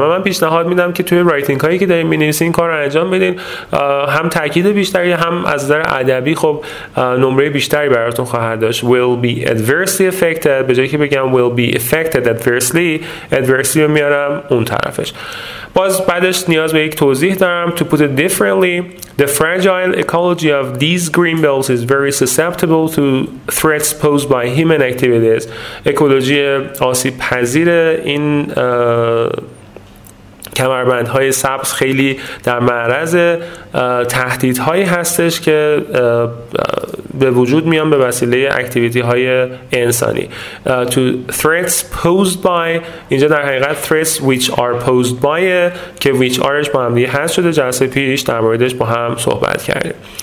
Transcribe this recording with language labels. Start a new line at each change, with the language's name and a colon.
Persian: من پیشنهاد میدم که توی رایتینگ هایی که داریم مینویسین این کار رو انجام بدین، هم تاکید بیشتری هم از نظر ادبی خب نمره بیشتری براتون خواهد داشت.
English: will be adversely affected،
Persian: به جایی که بگم
English: will be affected adversely، adversely
Persian: رو میارم اون طرفش. باز بعدش نیاز به یک توضیح دارم.
English: To put it differently، the fragile ecology of these green belts is very susceptible to threats posed by human activities.
Persian: اکولوژی آسیب پذیر این کمربندهای سبز خیلی در معرض تهدیدهایی هستش که به وجود میان به وسیله اکتیویتی های انسانی.
English: To threats posed by،
Persian: اینجا در حقیقت
English: threats which are posed by
Persian: که
English: which are
Persian: ش با هم دیگه هست شده، جلسه پیش در موردش با هم صحبت کردیم.